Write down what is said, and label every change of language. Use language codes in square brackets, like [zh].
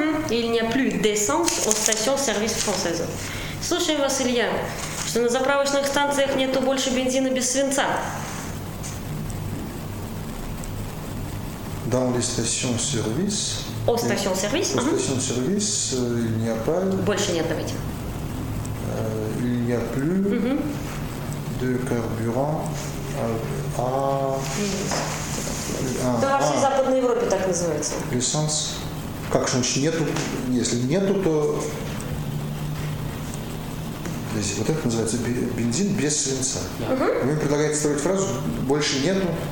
[fr] Il n'y a plus d'essence aux stations service françaises. [ru] Слушаем вас, Илья. Что на заправочных станциях нету больше бензина без свинца? [fr] Dans les stations service. Aux stations service. Aux stations service, il n'y a pas. [ru] Больше нет, давайте. [fr] Il n'y a plus de carburant à. [ru] Во всей Западной Европе так называется. Как же нету? Если нету, то. Вот это называется бензин без свинца. Uh-huh. Вы предлагаете строить фразу «больше нету».